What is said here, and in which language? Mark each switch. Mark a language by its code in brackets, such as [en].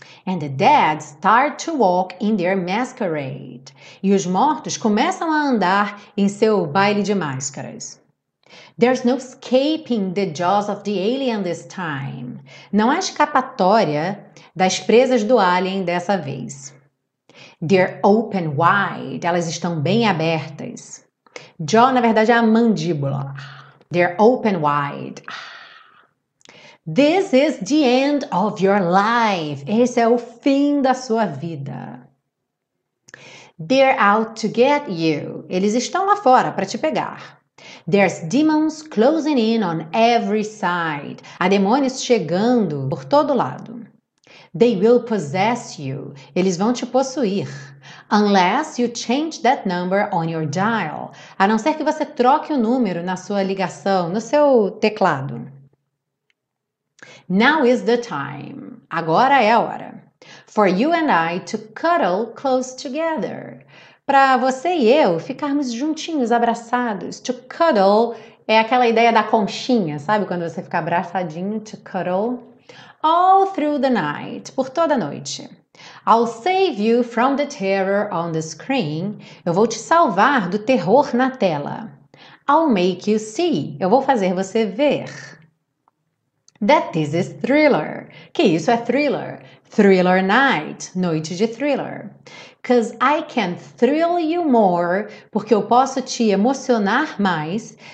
[en] And the dead start to walk in their masquerade. [pt] E os mortos começam a andar em seu baile de máscaras. [en] There's no escaping the jaws of the alien this time. [pt] Não há escapatória das presas do alien dessa vez. [en] They're open wide. [pt] Elas estão bem abertas. Jaw, na verdade, é a mandíbula. [en] They're open wide. This is the end of your life. [pt] Esse é o fim da sua vida. [en] They're out to get you. [pt] Eles estão lá fora para te pegar. [en] There's demons closing in on every side. [pt] Há demônios chegando por todo lado. [en] They will possess you. [pt] Eles vão te possuir. [en] Unless you change that number on your dial. [pt] A não ser que você troque o número na sua ligação, no seu teclado. [en] Now is the time. [pt] Agora é a hora. [en] For you and I to cuddle close together. [pt] Para você e eu ficarmos juntinhos, abraçados. To cuddle é aquela ideia da conchinha, sabe? Quando você fica abraçadinho, to cuddle. [en] All through the night, [pt] por toda a noite. [en] I'll save you from the terror on the screen. [pt] Eu vou te salvar do terror na tela. [en] I'll make you see. [pt] Eu vou fazer você ver. [en] That this is thriller. [pt] Que isso é thriller. [en] Thriller night. [pt] Noite de thriller. [en] 'Cause I can thrill you more. [pt] Porque eu posso te emocionar mais.